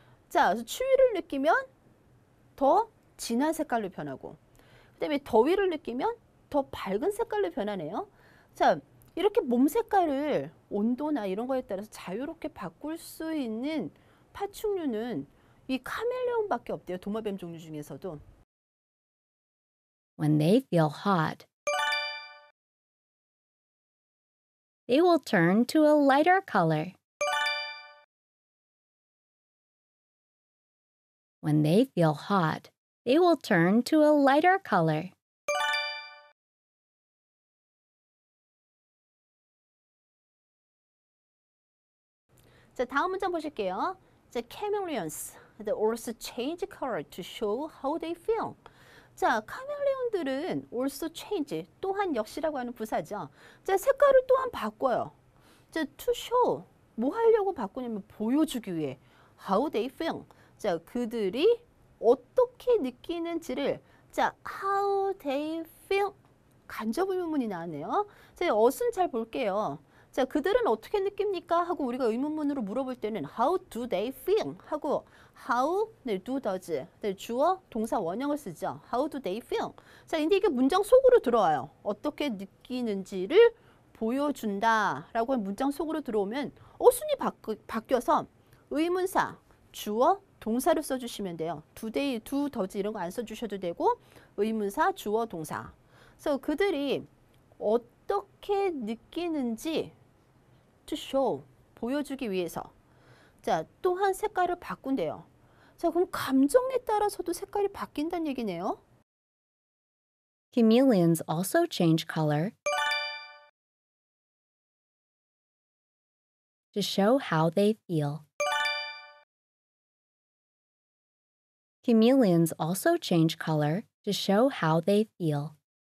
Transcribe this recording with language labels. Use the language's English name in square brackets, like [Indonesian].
[Korean] 자, 그래서 추위를 느끼면 더 진한 색깔로 변하고 그 다음에 더위를 느끼면 더 밝은 색깔로 변하네요. 자, 이렇게 몸 색깔을 온도나 이런 거에 따라서 자유롭게 바꿀 수 있는 파충류는 이 카멜레온밖에 없대요. 도마뱀 종류 중에서도. [English] When they feel hot, they will turn to a lighter color. When they feel hot, they will turn to a lighter color. [Korean] 자, 다음 문장 보실게요. [English] The chameleons, the also change color to show how they feel. [Korean] 자, 카멜레온들은 [English] also change, [Korean] 또한 역시라고 하는 부사죠. 자, 색깔을 또한 바꿔요. 자, [English] to show, [Korean] 뭐 하려고 바꾸냐면 보여주기 위해. [English] How they feel. [Korean] 자, 그들이 어떻게 느끼는지를 자, [English] how they feel. [Korean] 간접 의문문이 나왔네요. 자, 어순 잘 볼게요. 자, 그들은 어떻게 느낍니까? 하고 우리가 의문문으로 물어볼 때는 [English] how do they feel? [Korean] 하고 how 네, [English] do does [Korean] 네, 주어 동사 원형을 쓰죠. [English] How do they feel? [Korean] 자, 근데 이게 문장 속으로 들어와요. 어떻게 느끼는지를 보여준다라고 문장 속으로 들어오면 어순이 바뀌어서 의문사 주어 동사를 써주시면 돼요. [English] Do they, do does [Korean] 이런 거 안 써주셔도 되고 의문사 주어 동사. 그래서 그들이 어떻게 느끼는지 [English] to show [Korean] 보여주기 위해서 자 또한 색깔을 바꾼대요. 자 그럼 감정에 따라서도 색깔이 바뀐다는 얘기네요. [English] Chameleons also change color to show how they feel. Chameleons also change color to show how they feel.